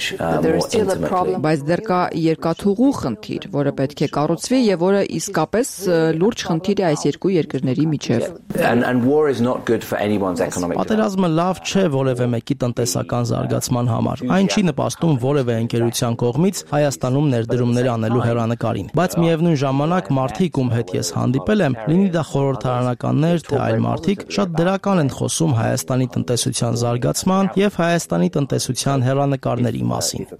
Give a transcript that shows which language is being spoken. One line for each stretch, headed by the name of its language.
Armenian: Բայց դեռ կա երկաթուղու խնդիր, որը պետք է կառուցվի եւ որը իսկապես լուրջ խնդիր է այս երկու երկրների միջև։
English: And war is not good for anyone's economic.
Armenian: Պատերազմը լավ չէ որևէ մեկի տնտեսական զարգացման համար։ Այն չի նպաստում որևէ ընկերության կողմից Հայաստանում ներդրումներ անելու հերանակարին։ Բայց միևնույն ժամանակ մարդիկ, ում հետ ես հանդիպել եմ, լինի դա խորհրդարանականներ, թե այլ մարդիկ, շատ դրական են խոսում Հայաստանի տնտեսության զարգացման եւ Հայաստանի տնտեսության հերանակարների մասին։